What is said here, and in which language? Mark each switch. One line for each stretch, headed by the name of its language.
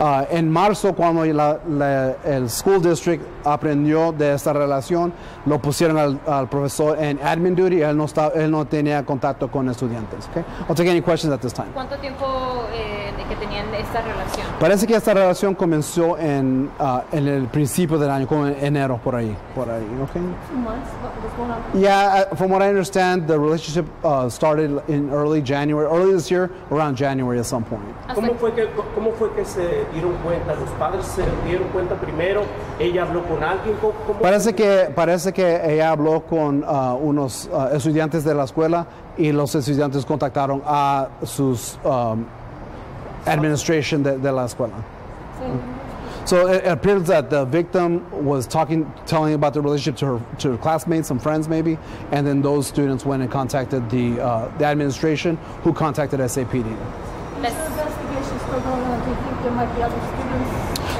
Spanish: En marzo, cuando el school district aprendió de esta relación, lo pusieron al profesor en admin duty. Él no tenía contacto con estudiantes.
English: Okay? I'll take any questions at this time.
Spanish: ¿Cuánto tiempo que tenían esta relación? Parece que esta relación comenzó en el principio del año, como en enero, por ahí.
English: Okay? 2 months? What's going on? Yeah, from what I understand, the relationship started in early January, early this year, around January at some point.
Spanish: ¿Cómo fue que se dieron cuenta? ¿Los padres se dieron cuenta primero? ¿Ella habló con alguien? Parece que ella habló con unos estudiantes de la escuela, y los estudiantes contactaron a sus administration de la escuela. Sí.
English: So it appears that the victim was telling about the relationship to her classmates, some friends maybe, and then those students went and contacted the administration, who contacted SAPD. Investigation is still going on. Do you think there might be other students?